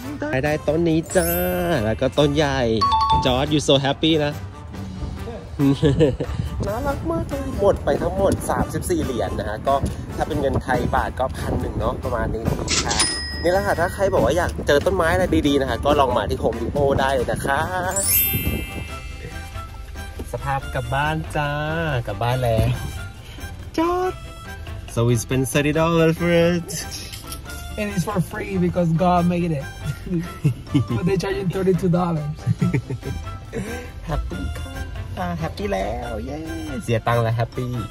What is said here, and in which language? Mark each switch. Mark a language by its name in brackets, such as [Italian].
[Thai] ได้ได้ต้นนี้จ้าแล้วก็ต้นใหญ่จอร์ดอยู่ so happy นะน่ารักมากเลยหมดไปทั้งหมด34เหรียญนะฮะก็ถ้าเป็นเงินไทยบาทก็พันหนึ่งเนาะประมาณนี้ค่ะนี่แหละค่ะถ้าใครบอกว่าอยากเจอต้นไม้อะไรดีๆนะฮะก็ลองมาที่โฮมดีโอได้เลยนะคะสภาพกลับบ้านจ้ากลับบ้านแล้วJohn. So we spent $30 for it. [English] And it's for free because God made it. But they're charging $32. Happy. Happy แล้ว. Yes. เสียตังค์แล้ว. Happy.